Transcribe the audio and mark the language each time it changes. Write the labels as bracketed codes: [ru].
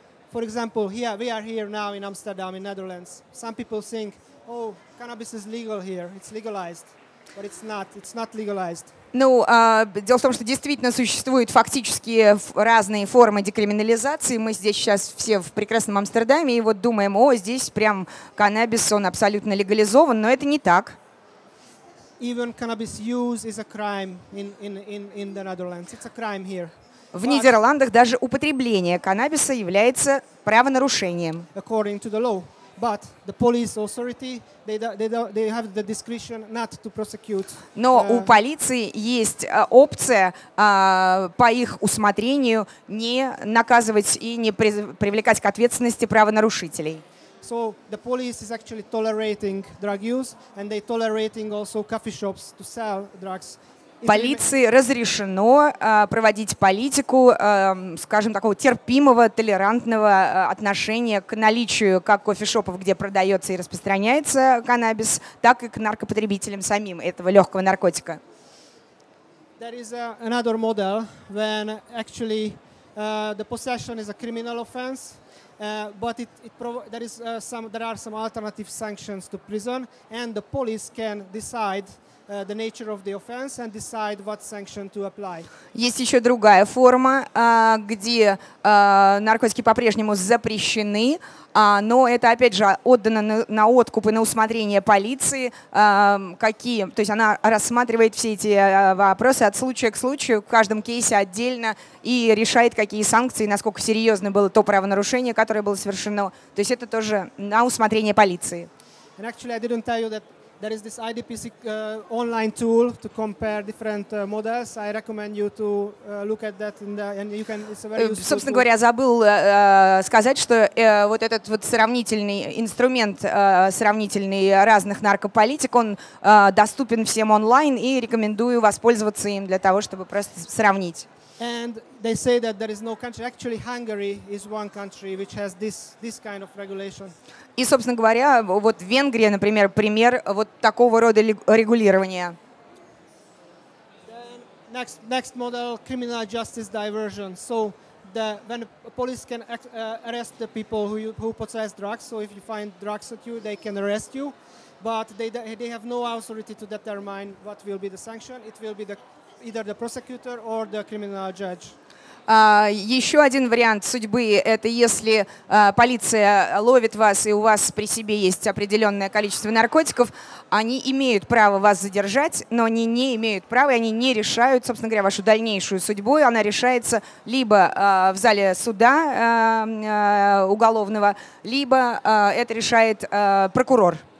[en] For example, here we are here now in Amsterdam, in Netherlands. Some people think, oh, cannabis is legal here, it's legalized. But it's not legalized. [ru] Ну, дело в том, что действительно существуют фактически разные формы декриминализации. Мы здесь сейчас все в прекрасном Амстердаме и вот думаем, о, здесь прям каннабис, он абсолютно легализован, но это не так. [en] Even cannabis use is a crime in the Netherlands. It's a crime here. [ru] В Нидерландах даже употребление каннабиса является правонарушением. [en] According to the law. But the police authority, they have the discretion not to prosecute. [ru] Но у полиции есть опция по их усмотрению не наказывать и не привлекать к ответственности правонарушителей. [en] So the police is actually tolerating drug use, and they tolerating also coffee shops to sell drugs. [ru] Полиции разрешено проводить политику, скажем, такого терпимого, толерантного отношения к наличию как кофешопов, где продается и распространяется каннабис, так и к наркопотребителям самим этого легкого наркотика. [en] There is another model when actually the possession is a criminal offense. But there are some alternative sanctions to prison, and the police can decide the nature of the offense and decide what sanction to apply. [ru] Есть еще другая форма, где наркотики по-прежнему запрещены, но это опять же отдано на откуп и на усмотрение полиции, какие, то есть она рассматривает все эти вопросы от случая к случаю, в каждом кейсе отдельно и решает, какие санкции, насколько серьезно было то правонарушение, которое было совершено. То есть это тоже на усмотрение полиции. [en] And actually, I didn't tell you that. There is this IDPC online tool to compare different models. I recommend you to look at that and you can, it's a very useful. [ru] Собственно говоря, забыл сказать, что вот этот вот сравнительный инструмент, сравнительный разных наркополитик, он доступен всем онлайн и рекомендую воспользоваться им для того, чтобы просто сравнить. [en] And they say that there is no country. Actually, Hungary is one country which has this kind of regulation. [ru] И, собственно говоря, вот Венгрия, например, пример вот такого рода регулирования. [en] Then next model, criminal justice diversion. So when police can arrest the people who possess drugs, so if you find drugs at you, they can arrest you, but they have no authority to determine what will be the sanction. It will be either the prosecutor or the criminal judge. [ru] Еще один вариант судьбы – это если полиция ловит вас, и у вас при себе есть определенное количество наркотиков, они имеют право вас задержать, но они не имеют права, и они не решают, собственно говоря, вашу дальнейшую судьбу. Она решается либо в зале суда уголовного, либо это решает прокурор.